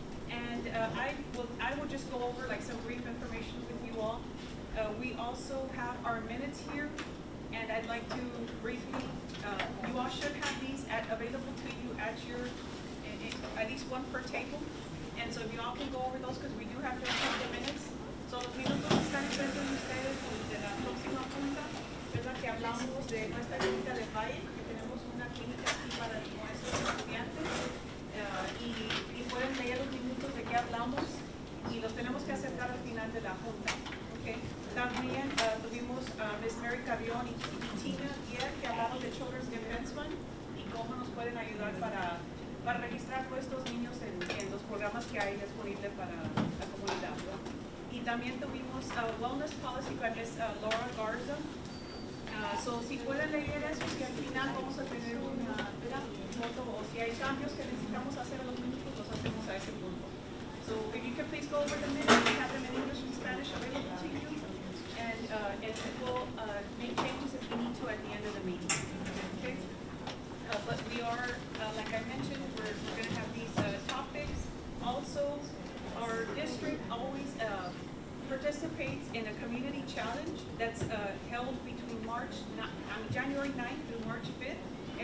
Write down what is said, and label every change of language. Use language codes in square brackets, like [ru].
[en] And I will just go over like some brief information with you all. We also have our minutes here, and I'd like to briefly, you all should have these available to you at your, at least one per table. And so if you all can go over those, because we do have to have the minutes. [es] So los minutos están presentes ustedes de la próxima junta, ¿verdad? Que hablamos de nuestra clínica de Valle, que tenemos una clínica aquí para nuestros estudiantes. Y pueden leer los minutos de qué hablamos y los tenemos que aceptar al final de la junta. Okay. También tuvimos a Ms. Mary Cavión y Tina Díaz que hablaron de Children's Defense Fund y cómo nos pueden ayudar para registrar nuestros niños en los programas que hay disponibles para la comunidad. Y también tuvimos a Wellness Policy, que es Laura Garza. So si pueden leer eso, que al final vamos a tener una foto, o si hay cambios que necesitamos hacer a los minutos, los hacemos a ese punto. [en] So if you can please go over the minutes, we have them in English and Spanish available to you, and we'll make changes if we need to at the end of the meeting. Okay. But we are, like I mentioned, we're going to have these topics. Also, our district always participates in a community challenge that's held between January 9th through March 5th.